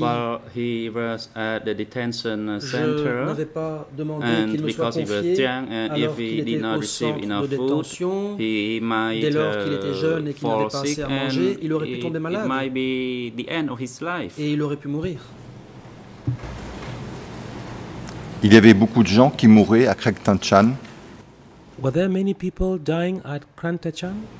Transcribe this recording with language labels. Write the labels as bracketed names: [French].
[English] while he was at the detention center, and because he was young, and if he did not receive enough food, he might fall sick, and it might be the end of his life. [French] Et il aurait pu mourir. Il y avait beaucoup de gens qui mouraient à Krek Tan Chan. [English] Were there many people dying at Krek Tan Chan?